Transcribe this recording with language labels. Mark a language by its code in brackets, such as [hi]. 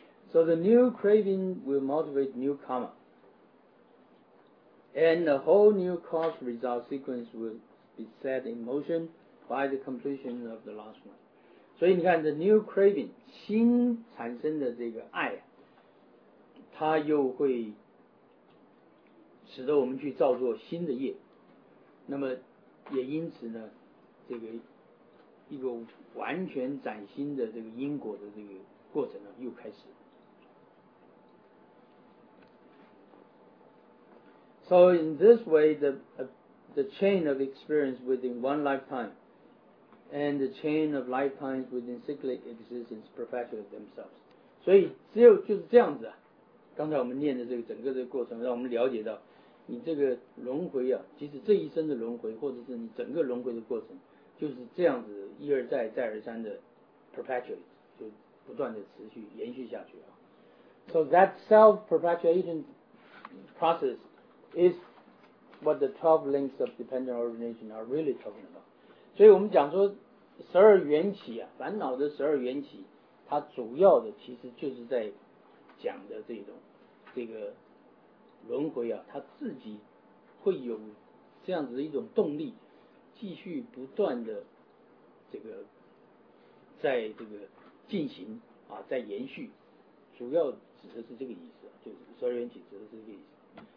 [en] So the new craving will motivate new karma and a whole new cause result sequence will be set in motion by the completion of the last one。 [zh] 所以你看 [en] the new craving [zh] 新产生的这个爱啊，它又会使得我们去造作新的业，那么也因此呢，这个一个完全崭新的这个因果的这个过程呢又开始。 [en] So in this way the chain of experience within one lifetime and the chain of lifetimes within cyclic existence perpetuate themselves。 [zh] 所以只有就是这样子啊，刚才我们念的这个整个这个过程让我们了解到，你这个轮回啊，即使这一生的轮回或者是你整个轮回的过程就是这样子一而再再而三的 perpetuate， 就不断的持续延续下去啊。 [en] So that self-perpetuation process is what the 12 links of dependent origination are really talking about。 [zh] 所以我们讲说十二缘起啊，烦恼的十二缘起，它主要的其实就是在讲的这种这个轮回啊，它自己会有这样子的一种动力继续不断的这个在这个进行啊，在延续，主要指的是这个意思，就是十二缘起指的是这个意思。